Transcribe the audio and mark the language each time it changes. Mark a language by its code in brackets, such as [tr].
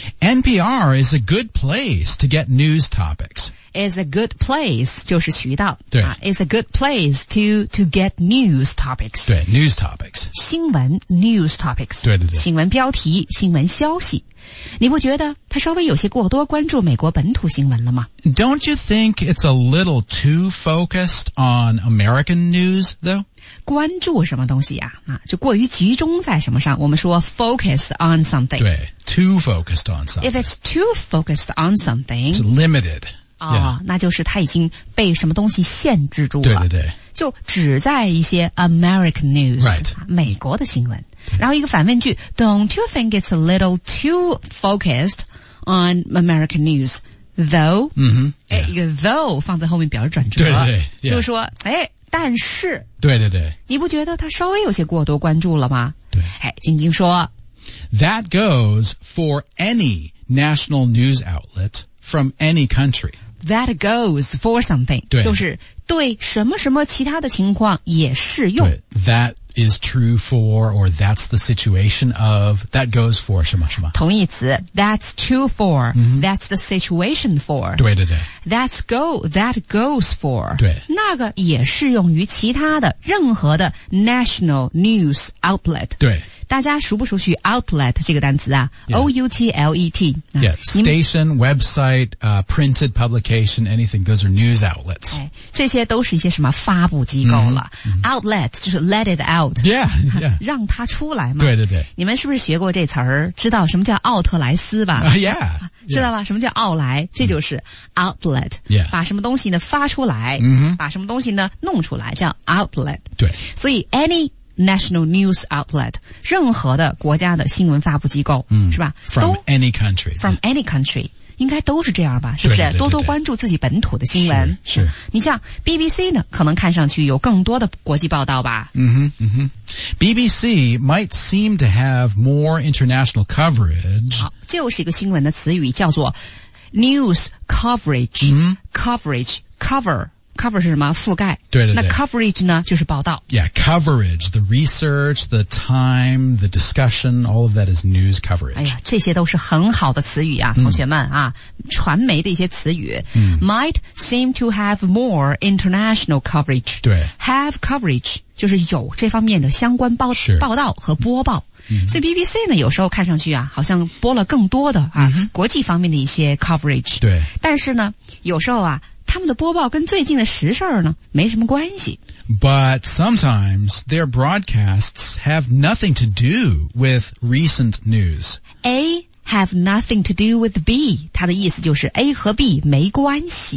[en] NPR is a good place to get news topics is a good place [zh] 就是渠道对、 [en] is a good place to get news topics 对 news topics 新闻 news topics [zh] 对对对新闻标题新闻消息你不觉得他稍微有些过多关注美国本土新闻了吗 [en] Don't you think it's a little too focused on American news, though? [zh] 关注什么东西啊？啊，就过于集中在什么上，我们说 [en] focused on something. 对 too focused on something. If it's too focused on something, it's limited. 哦、yeah. [zh] 那就是他已经被什么东西限制住了。对对对。就只在一些 [en] American news,、 right. [zh] 美国的新闻。然后一个反问句 [en] Don't you think it's a little too focused on American news though、 yeah. [zh] 一个 though 放在后面表示转折对对对、yeah. 就是说哎，但是对对对你不觉得他稍微有些过多关注了吗对哎，晶晶说 [en] That goes for any national news outlet from any country That goes for something [zh] 对就是对什么什么其他的情况也适用 [en] That is true for, or that's the situation of, that goes for, [zh] 什么什么。同义词 [en] that's true for,、that's the situation for. [zh] 对对对。 [en] That's go, that goes for. [zh] 对。那个也适用于其他的任何的 [en] national news outlet. [zh] 对。大家熟不熟悉 outlet 这个单词啊、 [en] yeah. ?O-U-T-L-E-T. Yeah, station, website,、printed publication, anything, those are news outlets.、 [zh] 哎、这些都是一些什么发布机构了。 [en] Outlet, [zh] 就是 [en] let it out. Yeah, yeah. [zh] 让它出来嘛。对对对。你们是不是学过这词儿知道什么叫奥特莱斯吧、 [en] yeah, [zh] 知道吧、 [en] yeah. [zh] 什么叫奥莱这就是 outlet.、 [en] Yeah. [zh] 把什么东西呢发出来、把什么东西呢弄出来叫 outlet. 对。所以 any, [en] National news outlet, [zh] 任何的国家的新闻发布机构、是吧 [en] from any country. From any country. [zh] 应该都是这样吧是不是对对对对多多关注自己本土的新闻。是。是你像 BBC 呢可能看上去有更多的国际报道吧。 [en] BBC might seem to have more international coverage. [zh] 好就是一个新闻的词语叫做 [en] news coverage,、 [zh] coverage, cover. Cover 是什么？覆盖。对对对。那 coverage 呢？就是报道。 [en] Yeah, coverage, the research, the time, the discussion, all of that is news coverage. [zh] 哎呀，这些都是很好的词语啊，同学们啊，传媒的一些词语。 [en] Might seem to have more international coverage. [zh] 对。 [en] Have coverage, [zh] 就是有这方面的相关报道和播报。所以 BBC 呢有时候看上去啊好像播了更多的啊、国际方面的一些 coverage. 对。但是呢有时候啊他们的播报跟最近的时事呢没什么关系。 [en] But sometimes their broadcasts have nothing to do with recent news. A have nothing to do with B. [zh] 它的意思就是 A 和 B 没关系。